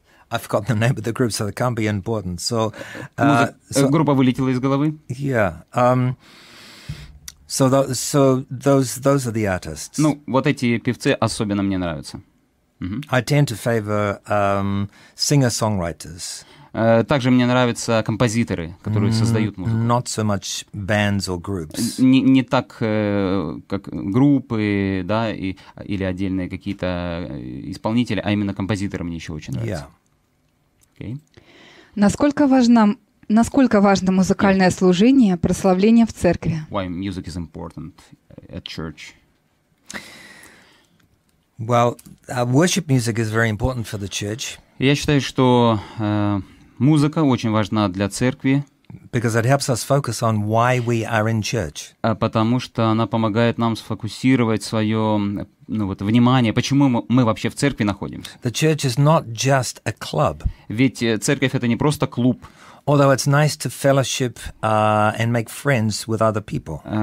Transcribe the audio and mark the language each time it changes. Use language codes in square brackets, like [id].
[en] I forgot the name of the group, so it can't be important. So. [ru] Группа вылетела из головы. Yeah. [en] So those are the artists. [ru] Ну, вот эти певцы особенно мне нравятся. [en] Mm-hmm. I tend to favor singer-songwriters. [ru] Также мне нравятся композиторы, которые создают музыку. [en] Not so much bands or groups. [ru] Не так, как группы, да, или отдельные какие-то исполнители, а именно композиторы мне еще очень нравятся. Yeah. Okay. Насколько важно музыкальное служение, прославление в церкви? [en] Why music is important at church? Well, worship music is very important for the church. [ru] Я считаю, что музыка очень важна для церкви. [en] Because it helps us focus on why we are in church. [ru] Потому что она помогает нам сфокусировать свое внимание, почему мы вообще в церкви находимся. [en] The church is not just a club. [ru] Ведь церковь — это не просто клуб. [en] Although it's nice to fellowship and make friends with other people.